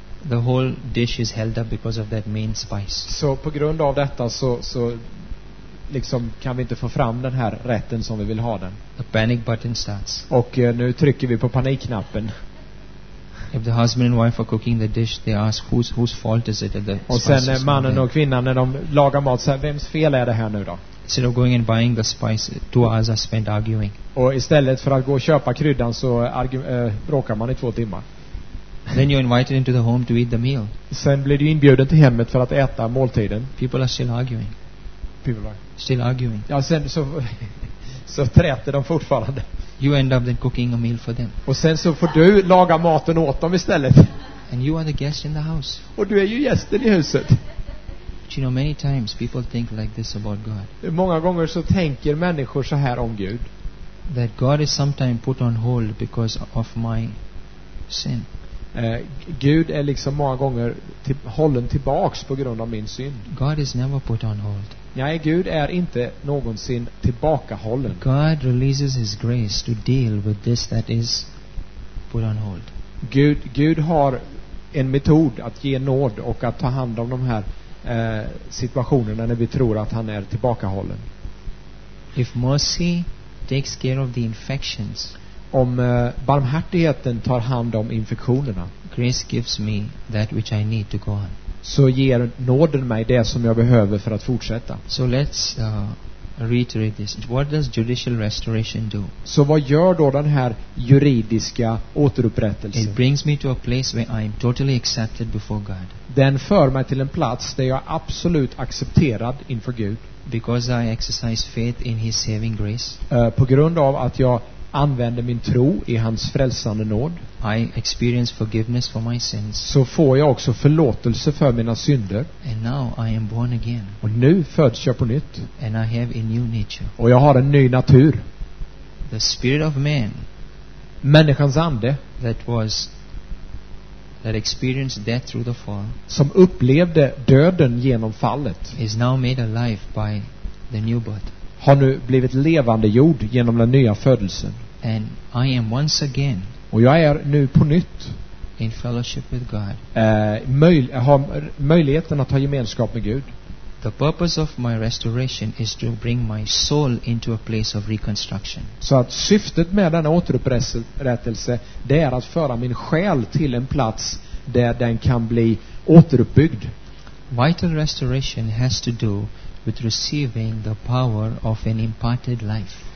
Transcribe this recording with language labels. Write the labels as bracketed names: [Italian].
[English] The whole dish is held up because of that main spice. [Swedish] Så på grund av detta så liksom kan vi inte få fram den här rätten som vi vill ha den. [English] The panic button starts. [Swedish] Och nu trycker vi på panikknappen. [English] If the husband and wife are cooking the dish, they ask whose fault is it? The [Swedish] och sen mannen och kvinnan när de lagar mat, så här, vems fel är det här nu då? [English] Instead of going and buying the spice, 2 hours are spent arguing. [Swedish] Och istället för att gå och köpa kryddan så bråkar man i 2 timmar. [English] Then you're invited into the home to eat the meal. [Swedish] Sen blir du inbjuden till hemmet för att äta måltiden. [English] People are still arguing. People are still arguing. [Swedish] Ja, sen så träter de fortfarande. [English] You end up then cooking a meal for them. [Swedish] Och sen så får du laga maten åt dem istället. [English] And you are the guest in the house. [Swedish] Och du är ju gästen i huset. [English] But you know, many times people think like this about God. [Swedish] Många gånger så tänker människor så här om Gud. [English] That God is sometimes put on hold because of my sin. [Swedish] Gud är liksom många gånger hållen tillbaks på grund av min synd. [English] God is never put on hold. [Swedish] Nej, Gud är inte någonsin tillbakahållen. [English] God releases his grace to deal with this that is put on hold. [Swedish] Gud har en metod att ge nåd och att ta hand om de här situationerna när vi tror att han är tillbakahållen. [English] If mercy takes care of the infections. [Swedish] Om barmhärtigheten tar hand om infektionerna. [English] Grace gives me that which I need to go on. [Swedish] Så ger nåden mig det som jag behöver för att fortsätta. [English] So let's reiterate this. What does judicial restoration do? [Swedish] Så vad gör då den här juridiska återupprättelsen? [English] It brings me to a place where I am totally accepted before God. [Swedish] Den för mig till en plats där jag är absolut accepterad inför Gud. [English] Because I exercise faith in his saving grace. [Swedish] På grund av att jag använder min tro i hans frälsande nåd. [English] I experience forgiveness for my sins. [Swedish] Så får jag också förlåtelse för mina synder. [English] And now I am born again. [Swedish] Och nu föds jag på nytt. [English] And I have a new nature. [Swedish] Och jag har en ny natur. [English] The spirit of man. [Swedish] Människans ande. [English] That experienced death through the fall. [Swedish] Som upplevde döden genom fallet. [English] Is now made alive by the new birth. [Swedish] Har nu blivit levande jord genom den nya födelsen. [English] And I am once again. [Swedish] Och jag är nu på nytt. [English] In fellowship with God. [Swedish] Har möjligheten att ha gemenskap med Gud. [English] The purpose of my restoration is to bring my soul into a place of reconstruction. [Swedish] Så att syftet med denna återupprättelse, det är att föra min själ till en plats där den kan bli återuppbyggd. [English] Vital restoration has to do with receiving the power of an imparted life.